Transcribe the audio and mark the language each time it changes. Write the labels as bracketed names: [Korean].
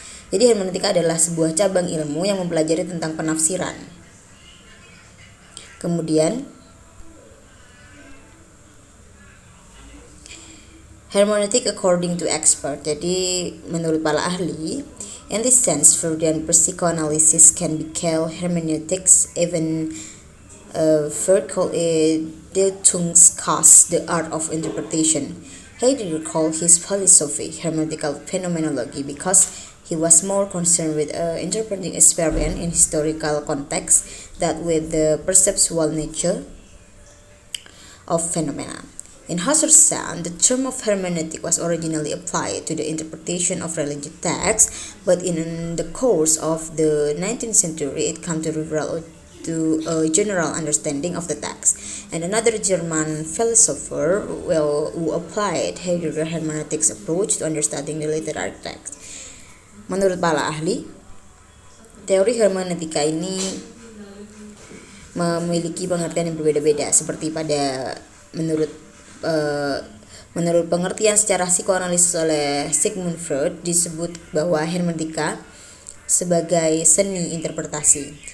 [Indonesian] Jadi hermeneutika adalah sebuah cabang ilmu yang mempelajari tentang penafsiran. Kemudian, [English] hermeneutic according to expert, [Indonesian] jadi menurut para ahli, [English] in this sense, Freudian psychoanalysis can be called hermeneutics, even Freud called it the Deutungskunst, the art of interpretation. Heidegger called his philosophy hermeneutical phenomenology because he was more concerned with interpreting experience in historical context than with the perceptual nature of phenomena. In Husserl's sense, the term of hermeneutic was originally applied to the interpretation of religious texts, but in the course of the 19th century, it came to a general understanding of the text. And another German philosopher who applied Heidegger hermeneutics approach to understanding the literary text. [Indonesian] Menurut para ahli, teori hermeneutika ini memiliki pengertian yang berbeda-beda seperti pada menurut pengertian secara psikoanalisis oleh Sigmund Freud disebut bahwa hermeneutika sebagai seni interpretasi.